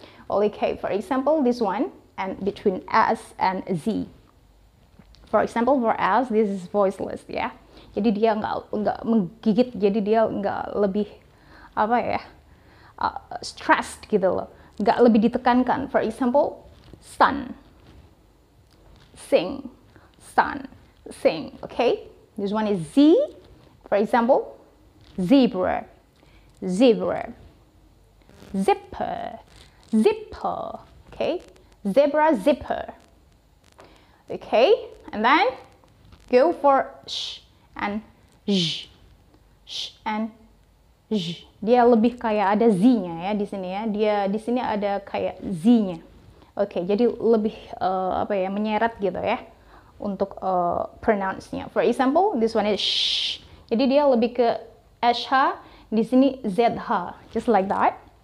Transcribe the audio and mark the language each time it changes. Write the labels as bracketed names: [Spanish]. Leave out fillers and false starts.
[English] Okay, for example, this one and between S and Z. For example, for us, this is voiceless, yeah? [Indonesian] jadi dia nggak menggigit, jadi dia nggak lebih apa ya stressed gitu loh, nggak lebih ditekankan. [English] For example, sun, sing, sun, sing. Okay, this one is Z. For example, zebra, zebra, zipper, zipper. Okay, zebra, zipper. Okay, and then go for sh and zh, sh and zh. [Indonesian] Dia lebih kayak ada z-nya ya di sini ya. Dia di sini ada kayak z-nya. Okay, jadi lebih apa ya, menyeret gitu ya untuk pronounce-nya. [English] For example, this one is sh. [Indonesian] Jadi dia lebih ke sh, di sini zh, [English] just like that.